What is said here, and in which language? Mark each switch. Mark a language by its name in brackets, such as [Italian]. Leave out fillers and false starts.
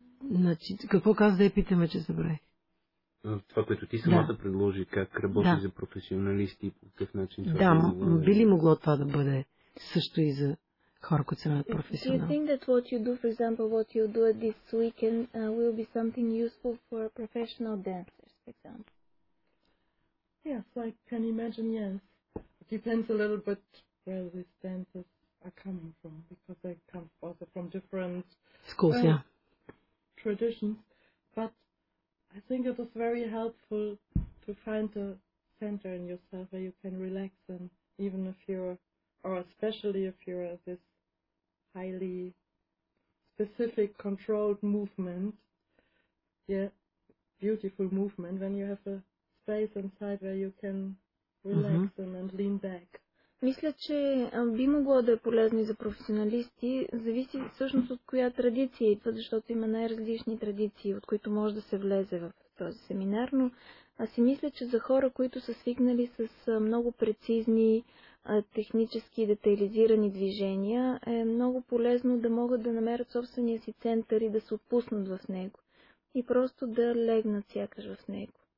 [Bulgarian] Значи, какво каза да я питаме, че забравих? Това, което ти самата предложи, как работи за професионалисти и по какъв начин това би ли могло това да бъде също и за хора, които се нанят професионал? [English] Do you think that what you do, for example, what you do at this weekend will be something useful for professional dancers, for example? Yes, I can imagine, yes. It depends a little bit where these dancers are coming from, because they come also from different schools, traditions, but I think it is very helpful to find a center in yourself where you can relax, and even if you're, or especially if you're at this highly specific controlled movement, beautiful movement, when you have a space inside where you can relax and lean back. [Bulgarian] Мисля, че би могло да е полезно и за професионалисти, зависи всъщност от коя традиция идва, защото има най-различни традиции, от които може да се влезе в този семинар, но аз си мисля, че за хора, които са свикнали с много прецизни, технически детайлизирани движения, е много полезно да могат да намерят собствения си център и да се отпуснат в него и просто да легнат сякаш в него.